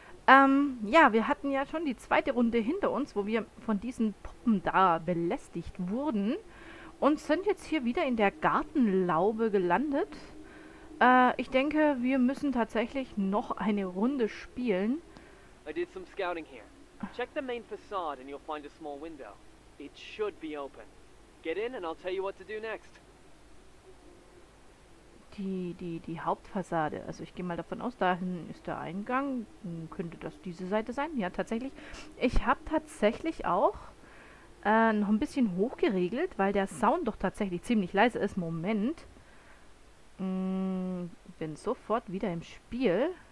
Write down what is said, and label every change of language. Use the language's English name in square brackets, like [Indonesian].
[German] Wir hatten ja schon die zweite Runde hinter uns, wo wir von diesen Puppen da belästigt wurden und sind jetzt hier wieder in der Gartenlaube gelandet. Ich denke, wir müssen tatsächlich noch eine Runde spielen. [English] I did some scouting here. Check the main facade and you'll find a small window. It should be open. Get in and I'll tell you what to do next. [German] Die Hauptfassade. Also ich gehe mal davon aus, dahin ist der Eingang. Könnte das diese Seite sein? Ja, tatsächlich. Ich habe tatsächlich auch noch ein bisschen hochgeregelt, weil der Sound doch tatsächlich ziemlich leise ist. Moment. Bin sofort wieder im Spiel.